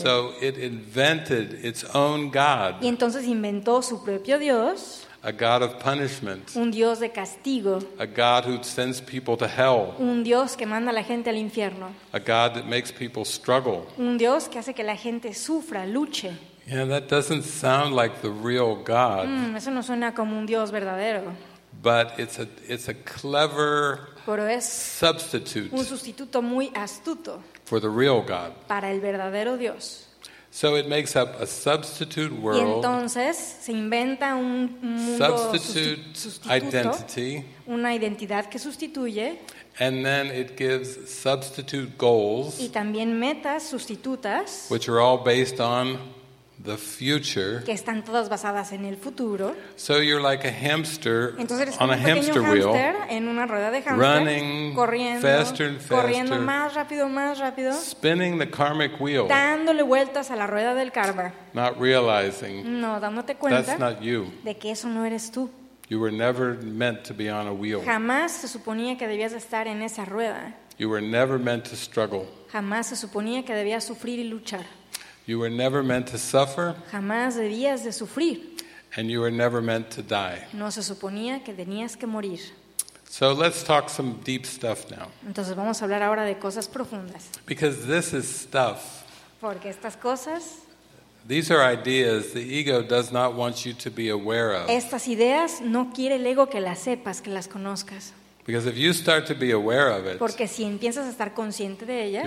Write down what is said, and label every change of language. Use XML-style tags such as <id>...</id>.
<en>So it invented its own God.</en> <es>Y entonces inventó su propio Dios.</es> <en>A God of punishment.</en> <es>Un Dios de castigo.</es> <en>A God who sends people to hell.</en> <es>Un Dios que manda a la gente al infierno.</es> <en>A God that makes people struggle.</en> <es>Un Dios que hace que la gente sufra, luche.</es> <en>Yeah, that doesn't sound like the real God.</en> <es>Eso no suena como un Dios verdadero.</es> <en>But it's a clever substitute.</en> <es>Un sustituto muy astuto.</es> <en>For the real God.</en> <es>Para el verdadero Dios.</es> <en>So it makes up a substitute world.</en> <es>Y entonces se inventa un mundo sustituto, identity, una identidad que sustituye.</es> <en>And then it gives substitute goals.</en> <es>Y también metas sustitutas.</es> <en>Which are all based on the future.</en> <es>Que están todas basadas en el futuro.</es> <en>So you're like a hamster</en> <es>entonces,</es> <en>on a hamster wheel.</en> <es>En una rueda de hamster,</es> <en>running</en> <es>corriendo,</es> <en>faster and faster.</en> <es>Corriendo más rápido,</es> <en>spinning the karmic wheel.</en> <es>Dándole vueltas a la rueda del karma.</es> <en>Not realizing.</en> <es>No, dándote cuenta.</es> <en>That's not you.</en> <es>De que eso no eres tú.</es> <en>You were never meant to be on a wheel.</en> <es>Jamás se suponía que debías estar en esa rueda.</es> <en>You were never meant to struggle.</en> <es>Jamás se suponía que debías sufrir y luchar.</es> <en>You were never meant to suffer.</en> <es>Jamás debías de sufrir.</es> <en>And you were never meant to die.</en> <es>No se suponía que tenías que morir.</es> <en>So let's talk some deep stuff now.</en> <es>Entonces vamos a hablar ahora de cosas profundas.</es> <en>Because this is stuff.</en> <es>Porque estas cosas.</es> <en>These are ideas the ego does not want you to be aware of.</en> <es>Estas ideas no quiere el ego que las sepas, que las conozcas.</es> <en>Because if you start to be aware of it,</en> <es>porque si empiezas a estar consciente de ellas,</es>